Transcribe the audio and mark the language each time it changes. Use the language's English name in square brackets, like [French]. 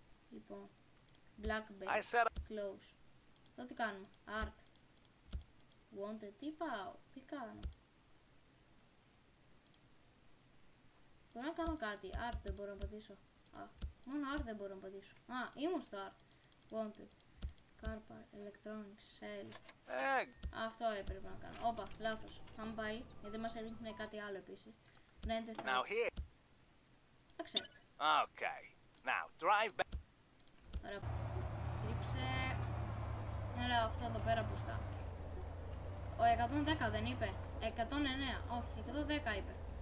[Greek] Λοιπόν. Black Bay. Close. Εδώ τι κάνουμε. Art. Wanted. Τι πάω. Τι κάνω. Μπορώ να κάνω κάτι. Art δεν μπορώ να πατήσω. Α. Μόνο art δεν μπορώ να πατήσω. Α. Ήμουν στο art. [English] Wanted. Carpar, electronics, sale. Egg. [Greek] Αυτό έπρεπε να κάνω. Όπα, λάθος. Θα μου πάει, γιατί μας έδειχνε κάτι άλλο επίσης. Ναι, δεν θα. [English] Now here. Accept. Okay. Now drive back. [Greek] Τώρα στρίψε. Έλα, αυτό εδώ πέρα που στά. Ο 110 δεν είπε. 109, όχι, 110 είπε.